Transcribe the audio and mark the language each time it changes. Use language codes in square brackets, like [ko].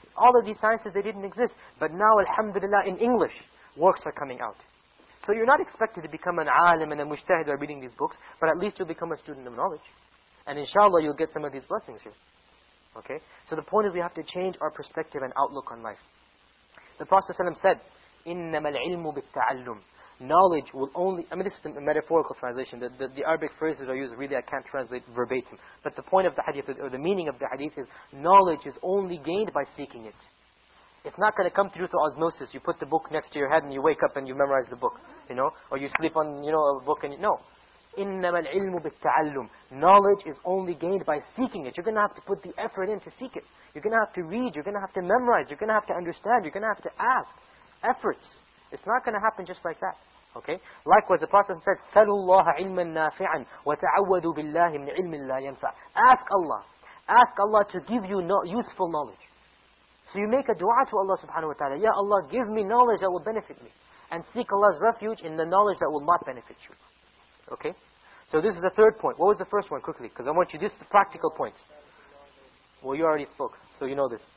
[en] All of these sciences, they didn't exist. But now, alhamdulillah, in English, works are coming out. So you're not expected to become an alim and a mujtahid by reading these books, but at least you'll become a student of knowledge. And inshallah, you'll get some of these blessings here. Okay? So the point is we have to change our perspective and outlook on life. The Prophet ﷺ said, [ar] إِنَّمَا الْعِلْمُ بِالتَّعَلُّمُ. [en] Knowledge will only... I mean, this is a metaphorical translation. The Arabic phrases are used, really I can't translate verbatim. But the point of the hadith, or the meaning of the hadith is, knowledge is only gained by seeking it. It's not going to come through osmosis. You put the book next to your head and you wake up and you memorize the book. You know? Or you sleep on, you know, a book and... No. [ar] إِنَّمَا الْعِلْمُ بِالتَّعَلُّمُ. [en] Knowledge is only gained by seeking it. You're going to have to put the effort in to seek it. You're going to have to read. You're going to have to memorize. You're going to have to understand. You're going to have to ask. Efforts. It's not going to happen just like that. Okay? Likewise, the Prophet said, [ar] سَلُوا اللَّهَ عِلْمًا نَافِعًا وَتَعَوَّذُوا بِاللَّهِ مِنْ عِلْمٍ لَا يَنْفَعُ. [en] Ask Allah. Ask Allah to give you useful knowledge. So you make a dua to Allah subhanahu wa ta'ala. Ya Allah, give me knowledge that will benefit me. And seek Allah's refuge in the knowledge that will not benefit you. Okay? So this is the third point. What was the first one, quickly? Because I want you, this is the practical point. Well, you already spoke, so you know this.